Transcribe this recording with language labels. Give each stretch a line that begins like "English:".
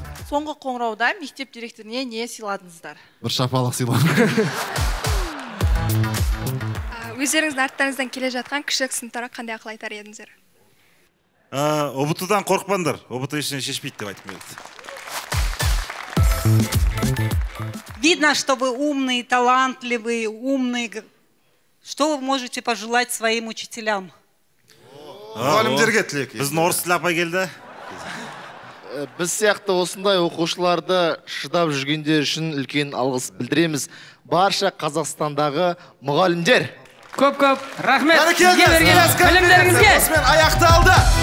Kazakh: Соңғы қоңырауда мектеп директоріне не сыйладыңыздар? Бір шапалақ сыйладым. Өздеріңіздің арттарыңыздан келе жатқан кіші сыныптарға қандай ақыл айтар едіңіздер? ОБТ-дан қорықпаңдар, ОБТ ештеңе шешпейді деп айтқым келді.
Russian: Видно, что вы умные, талантливые, умные. Что вы можете пожелать своим учителям?
Kazakh: Мұғалімдерге тілек. Біздің орыс тілі апай келді. Biz сияқты осындай оқушыларды шыдап жүргендер үшін үлкен алғыс білдіреміз. Барша Қазақстандағы мұғалімдер. Көп-көп рахмет. Бәрекелді. Стресс конференция осымен аяқталды.